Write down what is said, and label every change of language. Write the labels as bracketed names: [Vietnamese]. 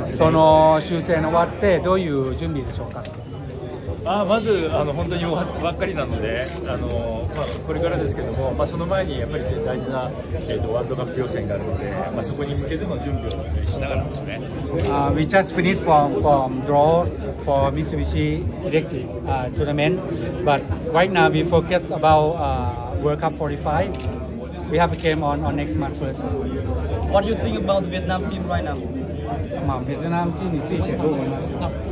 [Japanese] その修正の終わってどういう準備でしょうか。あ、まずあの本当に終わったばっかりなので、あの、まあ、これからですけども、まあ、その前にやっぱり、ね、大事な、ワールドカップ予選があるので、まあ、そこに向けての準備をしながらですね。 [English] We just finished from draw for Mitsubishi Electric tournament, but right now we focus about World Cup 45. We have a game on next month first. What do you think about the Vietnam team right now? [Japanese] まあ、ベトナムチームについてどう思いますか。